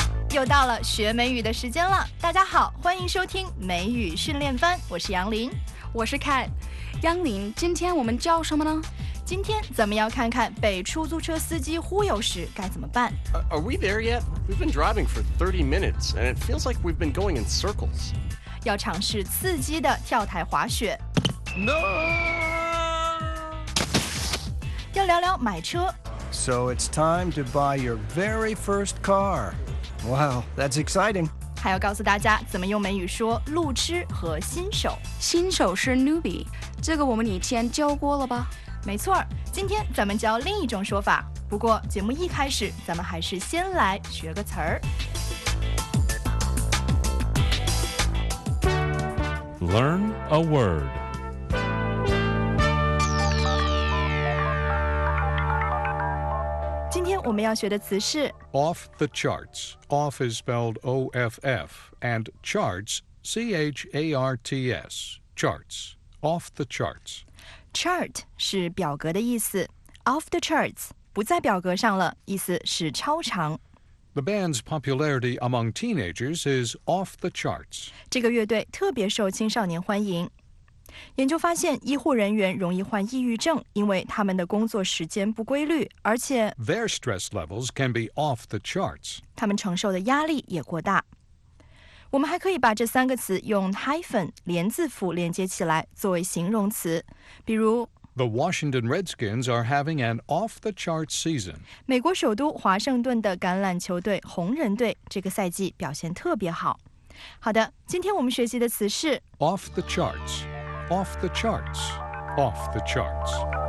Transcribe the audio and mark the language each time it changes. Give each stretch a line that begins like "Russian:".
Chinese: 又到了学美语的时间了，大家好，欢迎收听美语训练班，我是杨林。我是凯。杨林，今天我们教什么呢？今天咱们要看看被出租车司机忽悠时该怎么办。
English: Are we there yet? We've been driving for 30 minutes and it feels like we've been going in circles.
Chinese: 要尝试刺激的跳台滑雪。
English: No!
Chinese: 要聊聊买车。
English: So it's time to buy your very first car. Wow, that's exciting.
Chinese: 还要告诉大家怎么用美语说路痴和新手。新手是 newbie, 这个我们以前教过了吧？没错，今天咱们教另一种说法。不过节目一开始，咱们还是先来学个词儿。
English: Learn a word.
Chinese: 今天我们要学的词是
English: off the charts. Off is spelled O-F-F and charts, C-H-A-R-T-S. Charts, off the charts.
Chinese: Chart 是表格的意思。
English: Off the charts,
Chinese: 不在表格上了，意思是超常。
English: The band's popularity among teenagers is off the charts.
Chinese: 这个乐队特别受青少年欢迎。研究发现，医护人员容易患抑郁症，因为他们的工作时间不规律，而且
English: their stress levels can be off the charts.
Chinese: 他们承受的压力也过大。我们还可以把这三个词用 hyphen 连字符连接起来作为形容词，比如
English: The Washington Redskins are having an off the charts season.
Chinese: 美国首都华盛顿的橄榄球队红人队这个赛季表现特别好。好的，今天我们学习的词是
English: off the charts. Off the charts, off the charts.